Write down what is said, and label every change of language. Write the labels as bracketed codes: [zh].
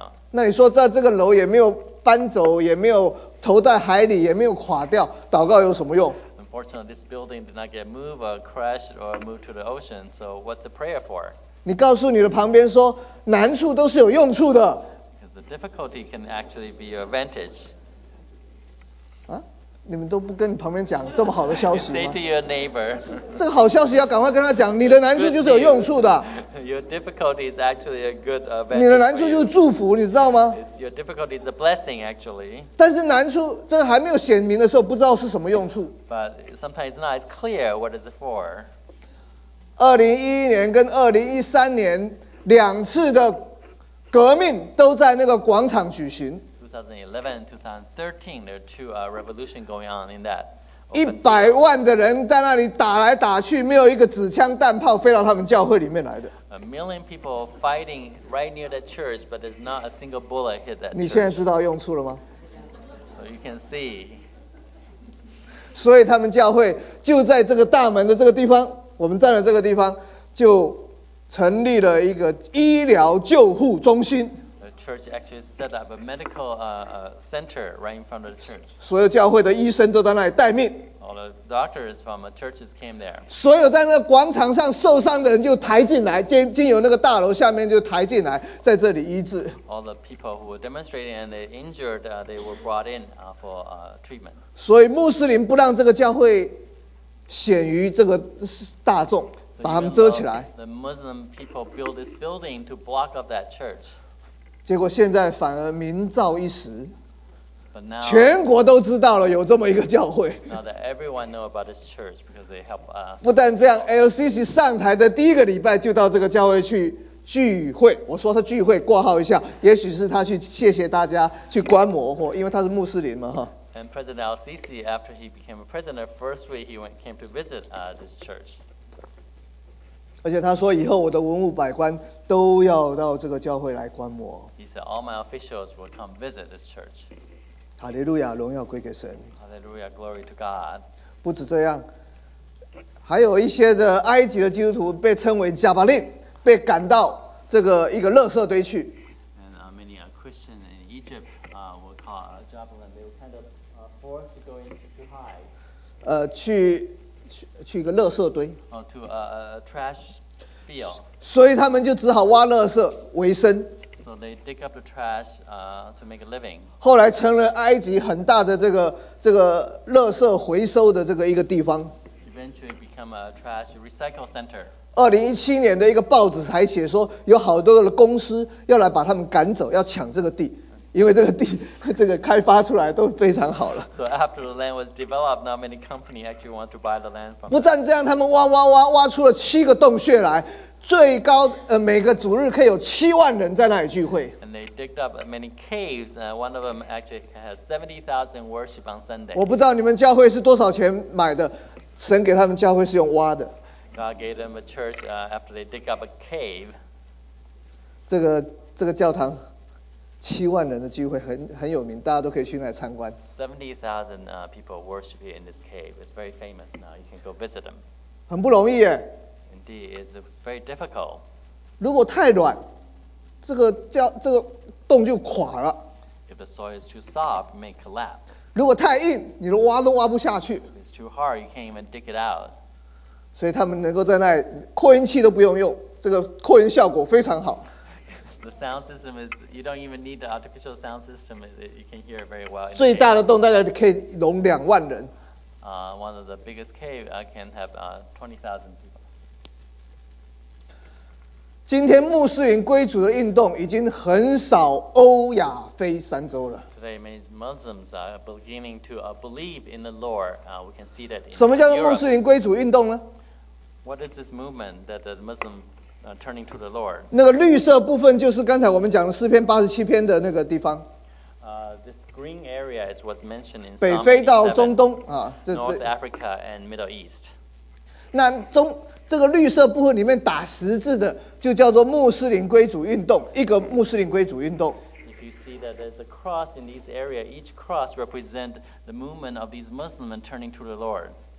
[zh] 那你说在这个楼也没有搬走，也没有投在海里，也没有垮掉，祷告有什么用？ [en] Unfortunately, this building did not get moved, crashed, or moved to the ocean. So what's the prayer for? [zh] 你告诉你的旁边说，难处都是有用处的。 [en] Because the difficulty can actually be your advantage. 啊？ [zh] 你们都不跟你旁边讲这么好的消息吗？ [en] Say to your neighbor, [zh] 这个好消息要赶快跟他讲，你的难处就是有用处的。 [en] Your difficulty is actually a good advantage. [zh] 你的难处就是祝福，你知道吗？ [en] Your difficulty is a blessing, actually. [zh] 但是难处这还没有显明的时候，不知道是什么用处。 [en] But sometimes not clear what is it for. [zh] 2011年跟2013年两次的革命都在那个广场举行。 [en] 2011 and 2013, there are two revolution going on in that. [zh] 100万的人在那里打来打去，没有一个纸枪弹炮飞到他们教会里面来的。 [en] 1 million people fighting right near the church, but there's not a single bullet hit that. [zh] 你现在知道用处了吗？ [en] So you can see. [zh] 所以他们教会就在这个大门的这个地方，我们站的这个地方，就成立了一个医疗救护中心。 [en] The church actually set up a medical center right in front of the church. [zh] 所有教会的医生都在那里待命。 [en] All the doctors from the churches came there. [zh] 所有在那个广场上受伤的人就抬进来，经由那个大楼下面就抬进来，在这里医治。 [en] All the people who were demonstrating and they injured, they were brought in for treatment. [zh] 所以穆斯林不让这个教会显于这个大众。把他们遮起来。 [en] The Muslim people built this building to block up that church. [zh] 结果现在反而名噪一时。 [en] But now, [zh] 全国都知道了有这么一个教会。 [en] Now that everyone knows about this church because they help us. [zh] 不但这样 ，LCC 上台的第一个礼拜就到这个教会去聚会。我说他聚会，挂号一下，也许是他去谢谢大家，去观摩或因为他是穆斯林嘛，哈。 [en] And President LCC, after he became a president, the first week he went came to visit this church. [zh] 而且他说以后我的文武百官都要到这个教会来观摩。 [en] He said all my officials will come visit this church. [zh] 哈利路亚，荣耀归给神。 [en] Hallelujah, glory to God. [zh] 不止这样，还有一些的埃及的基督徒被称为加巴林，被赶到这个一个垃圾堆去。 [en] And many Christians in Egypt were called Jabalin. They were kind of forced to go into hide. [zh] 去一个垃圾堆。 [en] Oh, to a trash field. [zh] 所以他们就只好挖垃圾为生。 [en] So they dig up the trash, to make a living. [zh] 后来成了埃及很大的这个垃圾回收的这个一个地方。 [en] Eventually become a trash recycle center. [zh] 2017年的一个报纸才写说，有好多的公司要来把他们赶走，要抢这个地。因为这个地，这个开发出来都非常好了。 [en] So after the land was developed, not many company actually want to buy the land from. [zh] 不但这样，他们挖出了七个洞穴来，最高每个主日可以有70,000人在那里聚会。 [en] And they digged up many caves. One of them actually has 70,000 worship on Sunday. [zh] 我不知道你们教会是多少钱买的，神给他们教会是用挖的。 [en] God gave them a church after they dig up a cave. [zh] 这个教堂。 70,000人的聚会很有名，大家都可以去那里参观。 [en] 70,000 people worship in this cave. It's very famous now. You can go visit them. [zh] 很不容易耶。 [en] Indeed, it was very difficult. [zh] 如果太软，这个洞就垮了。 [en] If the soil is too soft, it may collapse. [zh] 如果太硬，你都挖都挖不下去。 [en] If it's too hard, you can't even dig it out. [zh] 所以他们能够在那里扩音器都不用用，这个扩音效果非常好。 [en] The sound system is, you don't even need the artificial sound system, you can hear it very well. [zh] 最大的洞大概可以容20,000人。 [en] One of the biggest cave can have 20,000 people. [zh] 今天穆斯林归主的运动已经横扫欧亚非三洲了。 [en] Today many Muslims are beginning to believe in the Lord. We can see that in [zh] Europe. 什么叫做穆斯林归主运动呢？ [en] What is this movement that the Muslim turning to the Lord. [zh] 那个绿色部分就是刚才我们讲的诗篇87篇的那个地方。 [en] This green area is what's mentioned in Psalm [zh] 87. 北非到中东啊， [en] North Africa and Middle East. [zh] 那中这个绿色部分里面打十字的，就叫做穆斯林归主运动，一个穆斯林归主运动。 [en] If you see that there's a cross in this area, each cross represents the movement of these Muslims turning to the Lord.